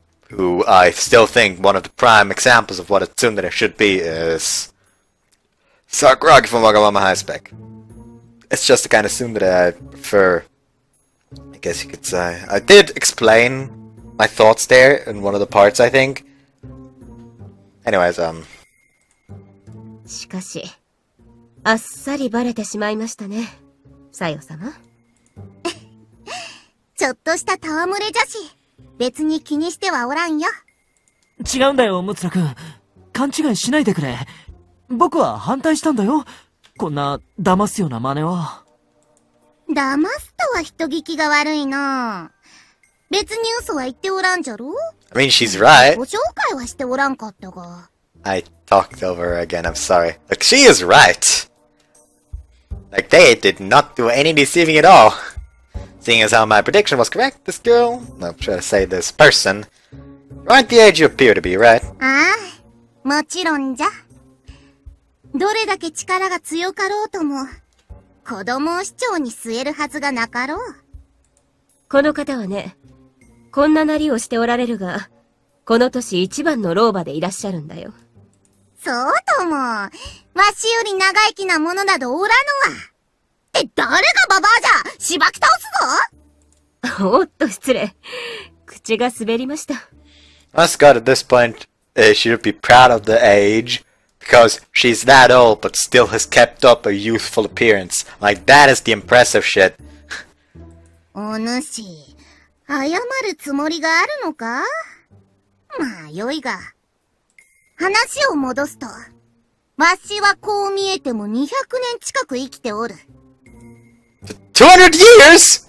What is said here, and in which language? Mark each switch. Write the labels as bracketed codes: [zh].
[en] Who I still think one of the prime examples of what a tsundere should be is... Sakuragi from Wagamama High Spec. It's just the kind of tsundere I prefer. I guess you could say. I did explain my thoughts there in one of the parts, I think. Anyways, [ja] しかし…あっさりバレてしまいましたね、サヨ様。ちょっとした戯れじゃし、別に気にしてはおらんよ。違うんだよ、ムツラ君。勘違いしないでくれ。僕は反対したんだよ。こんな騙すような真似は。騙すとは人聞きが悪いな。別に嘘は言っておらんじゃろ。 [en] I mean, she's right. [ja] ご紹介はしておらんかったが。 [en] I talked over her again, I'm sorry. Like, she is right! Like, they did not do any deceiving at all. Seeing as how my prediction was correct, this girl... No, I'm trying to say this person... aren't the age you appear to be, right? [ja] ああ、もちろんじゃ。どれだけ力が強かろうとも、子供を市長に据えるはずがなかろう。この方はね、こんななりをしておられるが、この年一番の老婆でいらっしゃるんだよ。そうとも、わしより長生きな者などおらぬわ。って誰がババアじゃ、しばき倒すぞ。おっと失礼、口が滑りました。 [en] マスカット at this point, she would be proud of the age, because she's that old but still has kept up a youthful appearance. Like that is the impressive shit. [ja] おぬし、謝るつもりがあるのか。まあ、よいが。話を戻すと、わしはこう見えても200年近く生きておる。 [en] 200 years!